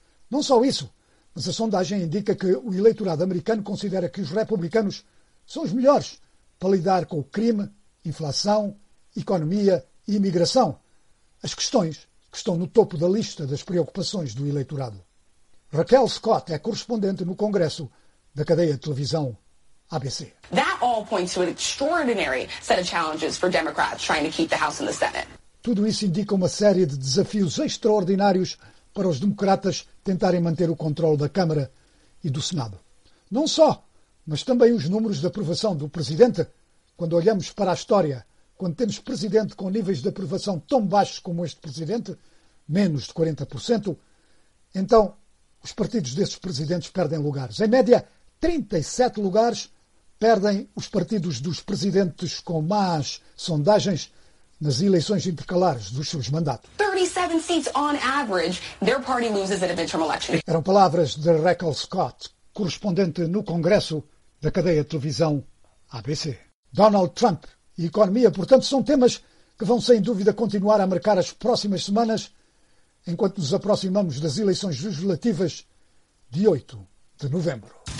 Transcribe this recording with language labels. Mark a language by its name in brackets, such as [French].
[Portuguese] Não só isso, mas a sondagem indica que o eleitorado americano considera que os republicanos são os melhores para lidar com o crime, inflação, economia e imigração, as questões que estão no topo da lista das preocupações do eleitorado. Raquel Scott é correspondente no Congresso da cadeia de televisão ABC. [English] That all points to an extraordinary set of challenges for Democrats trying to keep the House and the Senate. [Portuguese] Tudo isso indica uma série de desafios extraordinários para os democratas tentarem manter o controle da Câmara e do Senado. Não só, mas também os números de aprovação do presidente. Quando olhamos para a história, quando temos presidente com níveis de aprovação tão baixos como este presidente, menos de 40%, então os partidos desses presidentes perdem lugares. Em média, 37 lugares perdem os partidos dos presidentes com más sondagens nas eleições intercalares dos seus mandatos. [English] 37 seats on average, their party loses at a midterm election. [Portuguese] Eram palavras de Raquel Scott, correspondente no Congresso da cadeia de televisão ABC. Donald Trump e economia, portanto, são temas que vão sem dúvida continuar a marcar as próximas semanas, enquanto nos aproximamos das eleições legislativas de 8 de novembro.